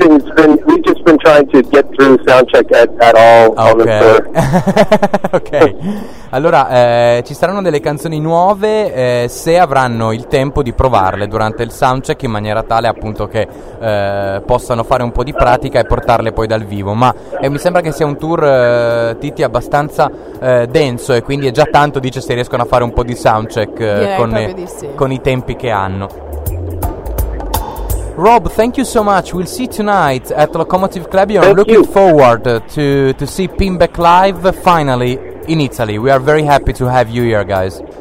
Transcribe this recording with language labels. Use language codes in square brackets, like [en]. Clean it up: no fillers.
[en] We've just been trying to get through soundcheck at all. Okay. Okay. [it] Allora, ci saranno delle canzoni nuove, se avranno il tempo di provarle durante il soundcheck in maniera tale appunto che possano fare un po' di pratica e portarle poi dal vivo. Ma mi sembra che sia un tour, Titi, abbastanza denso e quindi è già tanto, dice, se riescono a fare un po' di soundcheck con i tempi che hanno. [en] Rob, thank you so much. We'll see tonight at Locomotive Club. I'm looking forward to see Pinback Live finally in Italy. We are very happy to have you here, guys.